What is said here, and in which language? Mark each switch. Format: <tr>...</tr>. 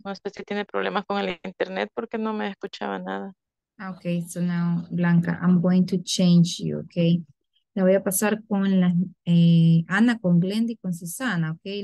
<es>No sé si tiene problemas con el internet porque no me escuchaba nada.</es> <en>Okay, so now, Blanca, I'm going to change you, okay?</en> <es>La voy a pasar con la Ana, con Glenda y con Susana, okay?</es>